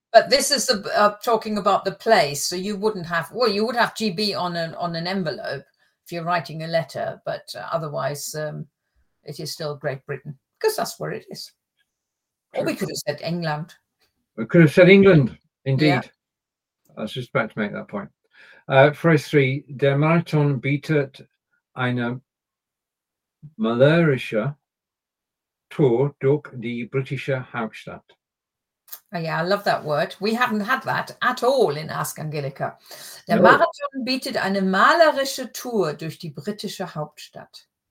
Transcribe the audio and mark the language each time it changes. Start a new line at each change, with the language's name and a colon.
English: But this is the talking about the place, so you wouldn't have, well, you would have GB on an envelope if you're writing a letter, but otherwise it is still Great Britain, because that's where it is. Or we could have said England. We could have said England, indeed. Yeah. I was just about to make that point. Phrase 3,
German: der Marathon bietet eine malerische Tour durch die britische Hauptstadt.
English: Oh, yeah, I love that word. We haven't had that at all in Ask Angelica.
German: Der Marathon bietet eine malerische Tour durch die britische Hauptstadt.